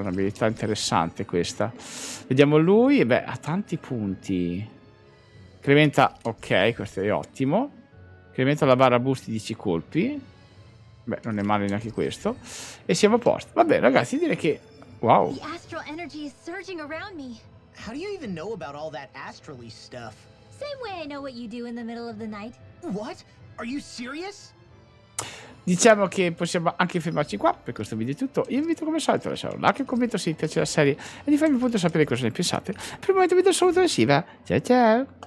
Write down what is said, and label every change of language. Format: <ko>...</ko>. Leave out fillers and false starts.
<it>Un'abilità interessante questa. Vediamo lui. Beh, ha tanti punti. Incrementa, ok, questo è ottimo. Incrementa la barra boost di 10 colpi. Beh, non è male neanche questo. E siamo a posto. Vabbè, ragazzi, direi che wow.</it> <en>The astral energy is surging around me. How do you even know about all that astrally stuff? Same way I know what you do in the middle of the night. What? Are you serious?</en> <it>Diciamo che possiamo anche fermarci qua. Per questo video è tutto. Io vi invito come solito a lasciare un like e un commento se vi piace la serie. E di farmi appunto sapere cosa ne pensate. Per il momento vi do un saluto e ciao ciao.</it>